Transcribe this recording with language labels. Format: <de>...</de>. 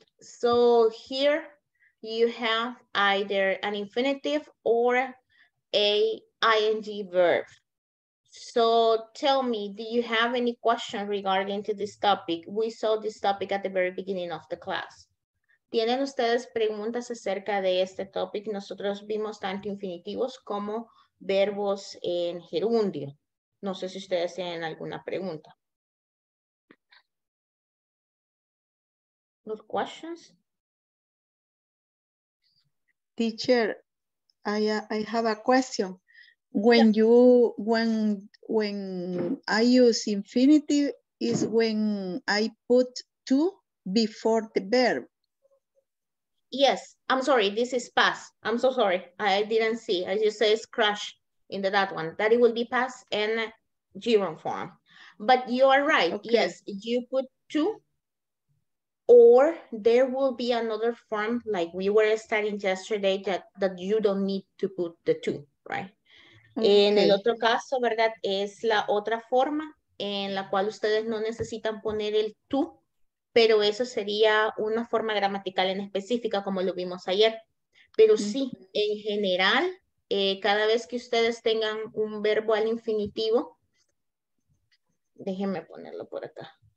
<en>So here you have either an infinitive or a ing verb. So tell me, do you have any question regarding to this topic? We saw this topic at the very beginning of the class.</en> <es>¿Tienen ustedes preguntas acerca de este topic? Nosotros vimos tanto infinitivos como verbos en gerundio. No sé si ustedes tienen alguna pregunta.</es> <en>No questions? Teacher, I have a question. When yeah. when I use infinitive is when I put to before the verb. Yes, I'm sorry, this is past. I'm so sorry, I didn't see. As you say, it's crush in that one. That it will be past in gerund form. But you are right, okay. Yes, you put to, or there will be another form like we were studying yesterday that you don't need to put the to, right?</en> <es>Okay. En el otro caso, ¿verdad? Es la otra forma en la cual ustedes no necesitan poner el to, pero eso sería una forma gramatical en específica como lo vimos ayer. Pero sí, en general, cada vez que ustedes tengan un verbo al infinitivo, déjenme ponerlo por acá.</es>